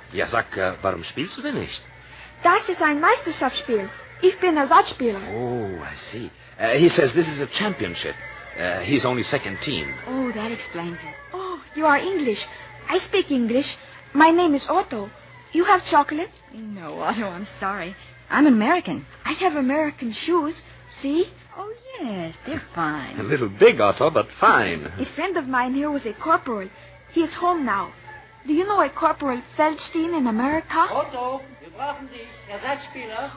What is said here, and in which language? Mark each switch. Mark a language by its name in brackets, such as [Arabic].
[German] Ja, sag, warum spielst du denn nicht? Das ist ein Meisterschaftsspiel. Ich bin Ersatzspieler. [English] Oh, I see. He says this is a championship. He's only second team. Oh, that explains it. Oh, you are English. I speak English. My name is Otto. You have chocolate? No, Otto, I'm sorry. I'm American. I have American shoes. See? Oh, yes, they're fine. A little big, Otto, but fine. A friend of mine here was a corporal. He is home now. Do you know a corporal Feldstein in America? [German] Otto, wir brauchen dich, Ersatzspieler.